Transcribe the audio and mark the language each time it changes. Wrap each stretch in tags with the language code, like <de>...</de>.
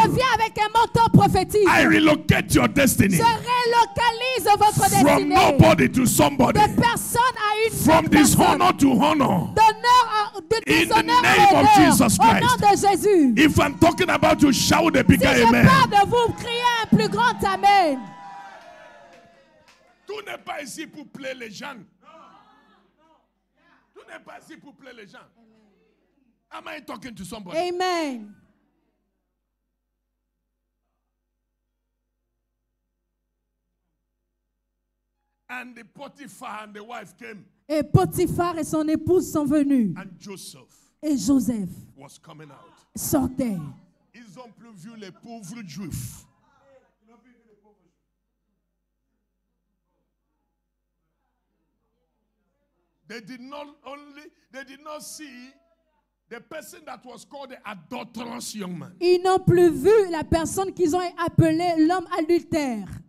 <fr>Je viens avec un manteau prophétique.</fr> <en>I relocate your destiny.</en> <fr>Je relocalise votre destinée.</fr> <en>From nobody to somebody. From dishonor to honor. In the name of Jesus Christ. If I'm talking about you, shout a bigger amen.</en> <fr>Si je parle de vous, criez un plus grand amen. Tu n'es pas ici pour plaire les gens. Tu n'es pas ici pour plaire les gens.</fr> <en>Am I talking to somebody? Amen. And the Potiphar and the wife came.</en> <fr>Et Potiphar et son épouse sont venus.</fr> <en>And Joseph</en> <fr>et Joseph</fr> <en>was coming out.</en> <fr>Sortait. Ils ont plus vu les pauvres juifs.</fr> <en>They did not see the person that was called the adulterous young man.</en> <fr>Ils n'ont plus vu la personne qu'ils ont appelé l'homme adultère.</fr>